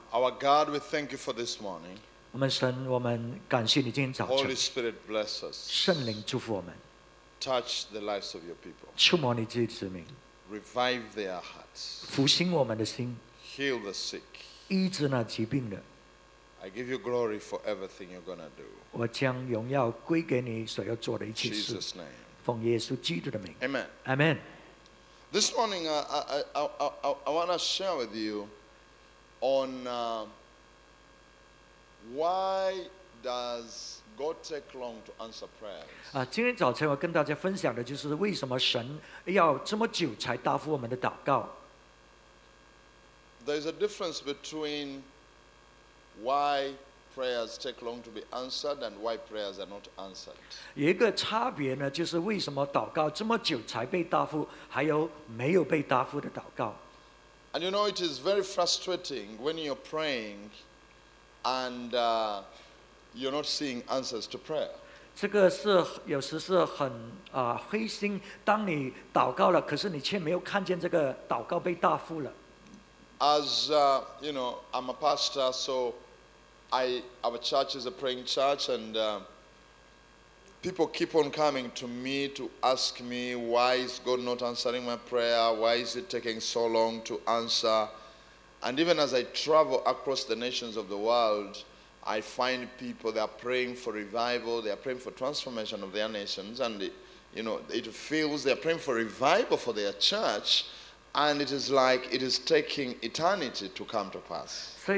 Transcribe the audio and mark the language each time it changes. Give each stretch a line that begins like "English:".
English: Our God, we thank you for this morning.
Chinese: 我们神我们感谢你今天早晨
English: Holy Spirit bless us.
Chinese: 圣灵祝福我们
English: Touch the lives of your people.
Chinese: 触摸你自己子民。
English: Revive their hearts.
Chinese: 复兴我们的心。
English: Heal the sick.
Chinese: 医治那疾病的。
English: I give you glory for everything you're going to do.
Chinese: 我将荣耀归给你所要做的一切事。
English: Jesus' name.
Chinese: 奉耶稣基督的名。
English: Amen. Amen. This morning, I want to share with you on why does. God take long to answer prayers.
Chinese: 今天早晨我跟大家分享的就是为什么神要这么久才答复我们的祷告。
English: There is a difference between why prayers take long to be answered and why prayers are not answered.
Chinese: 有一个差别呢，就是为什么祷告这么久才被答复，还有没有被答复的祷告。
English: And you know, it is very frustrating when you're praying and, You're not seeing answers to prayer.
Chinese: 这个是有时是很灰心。当你祷告了，可是你却没有看见这个祷告被答复了。
English: As I'm a pastor, so our church is a praying church, and People keep on coming to me to ask me, why is God not answering my prayer? Why is it taking so long to answer? And even as I travel across the nations of the world, I find people, they are praying for revival, they are praying for transformation of their nations, and you know, it feels they are praying for revival for their church, and it is like it is taking eternity to come to pass.